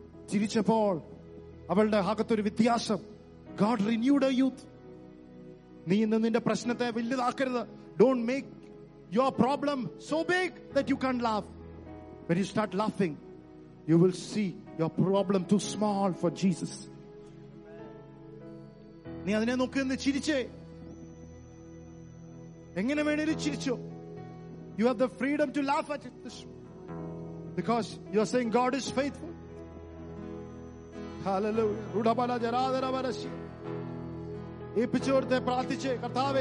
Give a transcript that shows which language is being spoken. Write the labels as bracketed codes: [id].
[ml] ചിരിച്ചപ്പോൾ അവളുടെ അകത്തൊരു വ്യത്യാസം. [en] God renewed her youth. [ml] നീ ഇന്ന് നിന്റെ പ്രശ്നത്തെ വലുതാക്കരുത്. [en] Don't make your problem so big that you can't laugh. When you start laughing, you will see your problem too small for Jesus. [ml] നീ അതിനെ നോക്കി നിന്ന് ചിരിച്ചേ. എങ്ങനെ വേണേലും ചിരിച്ചോ. [en] You have the freedom to laugh at it. Because you are saying God is faithful. [ml] Hallelujah. Rudabala jaradara varashi. ഏപ്പിച്ചോർത്തെ പ്രാർത്ഥിച്ചേ കർത്താവേ.